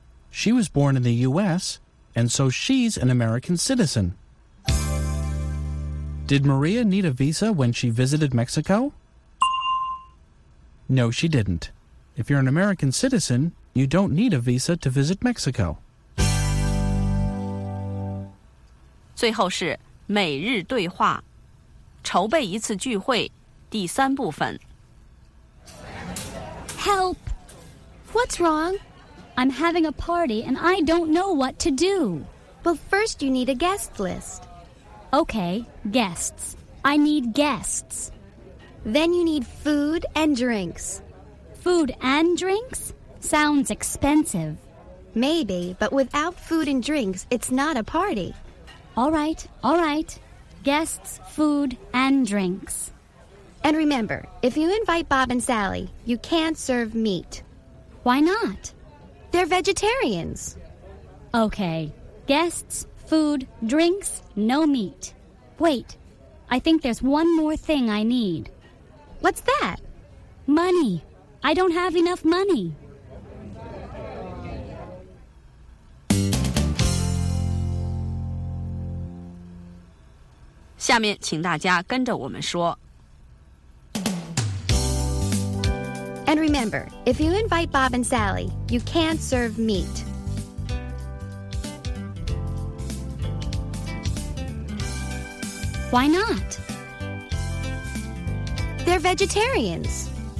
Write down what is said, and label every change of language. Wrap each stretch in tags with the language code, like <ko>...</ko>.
<en>She was born in the U.S., and so she's an American citizen. Did Maria need a visa when she visited Mexico? No, she didn't. If you're an American citizen, you don't need a visa to visit Mexico.</en> <zh>最后是每日对话，筹备一次聚会，第三部分。</zh> <en>Help! What's wrong? I'm having a party and I don't know what to do. Well, first you need a guest list. Okay, guests. I need guests. Then you need food and drinks. Food and drinks? Sounds expensive. Maybe, but without food and drinks, it's not a party. All right. Guests, food, and drinks. And remember, if you invite Bob and Sally, you can't serve meat. Why not? They're vegetarians. Okay. Guests, food, drinks, no meat. Wait. I think there's one more thing I need. What's that? Money. I don't have enough money.</en> <zh>下面请大家跟着我们说。</zh> <en>And remember, if you invite Bob and Sally, you can't serve meat. Why not? They're vegetarians.</en>